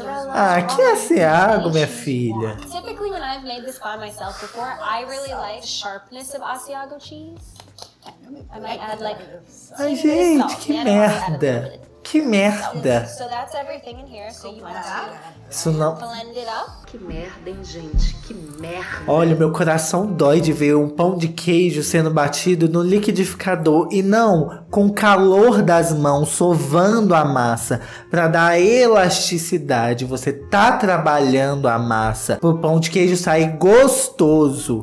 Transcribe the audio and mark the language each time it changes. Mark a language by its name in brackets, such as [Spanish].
[Portuguese] Ah, que é Asiago, minha filha? [English] Typically, when I've made this by myself before, I really like sharpness of Asiago cheese. I might add like. [Portuguese] Ai, gente, que merda! Que merda! [English] So that's everything in here, so you want to. [Portuguese] Isso não. [English] Blend it up. [Portuguese] Que merda, hein, gente? Que merda! Olha, meu coração dói de ver um pão de queijo sendo batido no liquidificador e não com o calor das mãos sovando a massa pra dar elasticidade. Você tá trabalhando a massa pro pão de queijo sair gostoso.